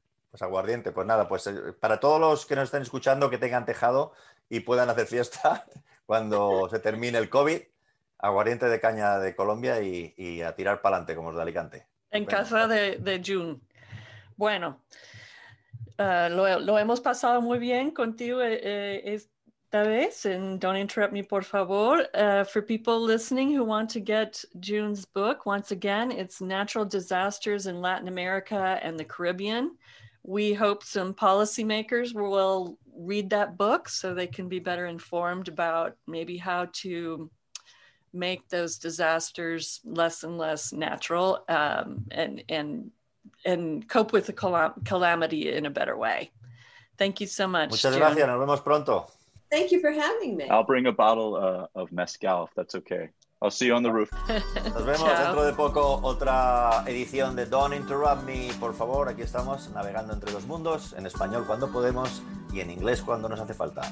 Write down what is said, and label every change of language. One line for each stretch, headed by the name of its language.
Spanish: Pues aguardiente, pues nada, pues para todos los que nos estén escuchando, que tengan tejado y puedan hacer fiesta cuando se termine el COVID, aguardiente de caña de Colombia y a tirar para adelante como los de Alicante. Casa de June. Bueno, lo hemos pasado muy bien contigo esta vez en Don't Interrupt Me, por favor.
English: For people listening who want to get June's book, once again, it's Natural Disasters in Latin America and the Caribbean. We hope some policymakers will read that book so they can be better informed about maybe how to make those disasters less and less natural and cope with the calamity in a better way. Thank you so much.
Spanish: Muchas gracias. Nos vemos pronto.
English: Thank you for having me. I'll bring a bottle of mezcal if that's okay. I'll see you on the roof.
Spanish: Nos vemos dentro de poco, otra edición de Don't Interrupt Me, por favor. Aquí estamos navegando entre los mundos, en español cuando podemos y en inglés cuando nos hace falta.